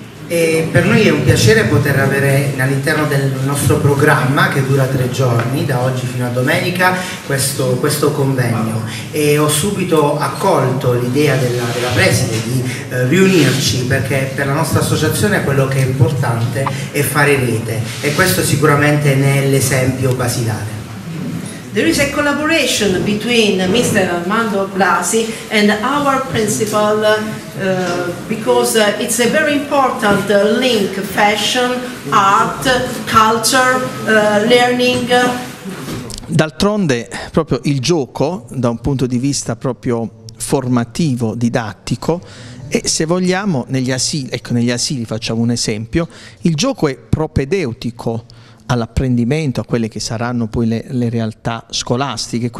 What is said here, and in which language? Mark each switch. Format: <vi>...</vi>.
<it>E per noi è un piacere poter avere all'interno del nostro programma, che dura 3 giorni, da oggi fino a domenica, questo convegno. E ho subito accolto l'idea della preside di riunirci, perché per la nostra associazione quello che è importante è fare rete, e questo sicuramente ne è l'esempio basilare.</it> <en>There is a collaboration between Mr. Armando Blasi and our principal because it's a very important link: fashion, art, culture, learning.</en> <it>D'altronde, proprio il gioco, da un punto di vista proprio formativo, didattico, e se vogliamo, negli asili facciamo un esempio, il gioco è propedeutico all'apprendimento, a quelle che saranno poi le realtà scolastiche.</it>